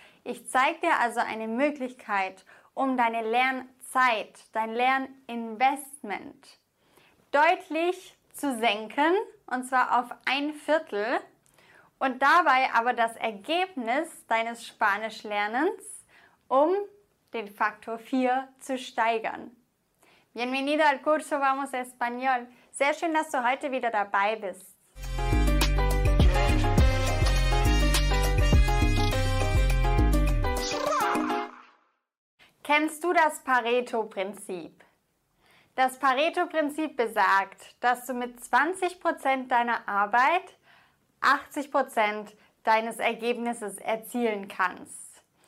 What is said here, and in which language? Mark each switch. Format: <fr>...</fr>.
<de>Ich zeige dir also eine Möglichkeit, um deine Lernzeit, dein Lerninvestment deutlich zu senken, und zwar auf ein Viertel, und dabei aber das Ergebnis deines Spanischlernens um den Faktor 4 zu steigern.</de> <es>Bienvenido al curso Vamos Español.</es> <de>Sehr schön, dass du heute wieder dabei bist. Kennst du das Pareto-Prinzip? Das Pareto-Prinzip besagt, dass du mit 20% deiner Arbeit 80% deines Ergebnisses erzielen kannst.</de>